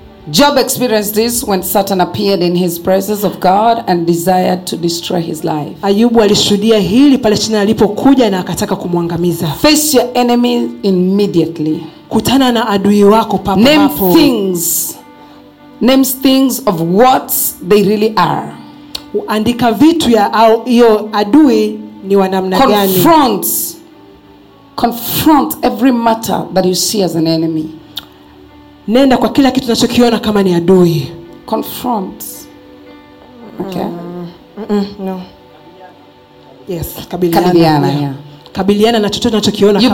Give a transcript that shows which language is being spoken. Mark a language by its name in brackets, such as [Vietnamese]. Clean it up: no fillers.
[English] Job experienced this when Satan appeared in his presence of God and desired to destroy his life. [Swahili] Ayubu alishuhudia hili pale Shetani alipokuja na akataka kumwangamiza. [English] Face your enemy immediately. [Swahili] Kutana na adui wako papo hapo. [English] Name things of what they really are. [Swahili] Andika vitu ya au hiyo adui ni wa namna gani. [English] Confront every matter that you see as an enemy. [Swahili] Nenda kwa kila kitu unachokiona kama ni adui. [English] Confront. Okay. No. Yes, kabiliana. [Swahili] Kabiliana na chochote unachokiona kama